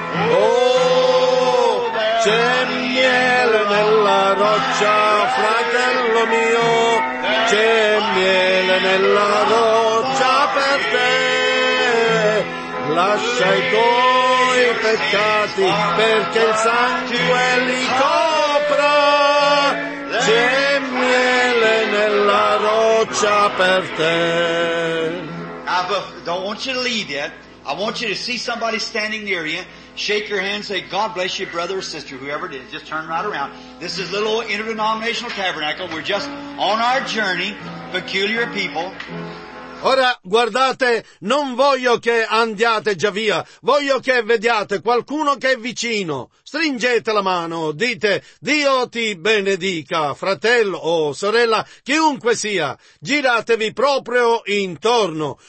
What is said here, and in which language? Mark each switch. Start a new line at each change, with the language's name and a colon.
Italian: Oh, c'è miele nella roccia, fratello mio, c'è miele nella roccia per te. Lascia i tuoi peccati perché il sangue li copra, c'è miele nella roccia per te.
English: Now, don't want you to leave yet. I want you to see somebody standing near you. Shake your hand, say, God bless you, brother or sister, whoever it is. Just turn right around. This is a little interdenominational tabernacle. We're just on our journey, peculiar people.
Italian: Ora, guardate, non voglio che andiate già via, voglio che vediate qualcuno che è vicino. Stringete la mano, dite, Dio ti benedica, fratello o sorella, chiunque sia, giratevi proprio intorno.